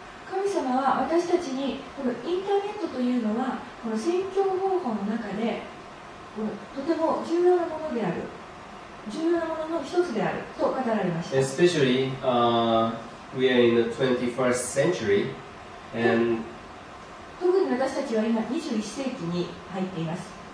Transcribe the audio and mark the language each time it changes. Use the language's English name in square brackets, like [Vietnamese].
[Japanese] 神様は私たちにこのインターネットというのはこの宣教方法の中でこのとても重要なものである。重要なものの一つであると語られました。 [English] Especially, we are in the 21st century, and [Japanese] 特に私たちは今21世紀に入っています。